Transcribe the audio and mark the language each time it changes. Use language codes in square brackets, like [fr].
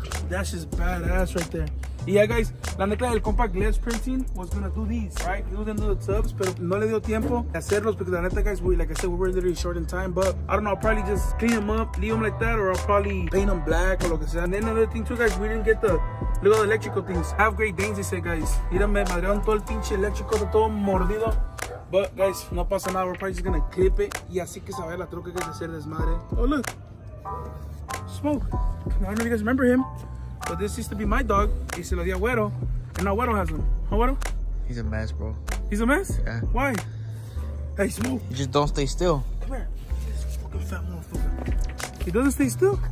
[en] That's just badass right there. Yeah, guys, la neta, el compa Glass Printing was gonna do these, right? He was gonna do the tubs, [es] pero no le dio tiempo hacerlos [en] because la neta, guys, we were literally short in time. But I don't know, I'll probably just clean them up, leave them like that, or I'll probably paint them black or [es] lo que sea. [en] And then another thing too, guys, we didn't get the little electrical things. Have great Danes, they say, guys. [es] Mira, me madrean todo el pinche electrico, todo mordido. [en] But guys, [es] no pasa nada, [en] we're probably just gonna clip it. [es] Y así que sabe la troca que es hacer desmadre. [en] Oh, look. Smoke. I don't know if you guys remember him, but this used to be my dog. [es] Y se lo di a Güero, [en] and now Güero has him. Huh, Güero? He's a mess, bro. He's a mess? Yeah. Why? Hey, Smoke. You just don't stay still. Come here. This fucking fat motherfucker. He doesn't stay still?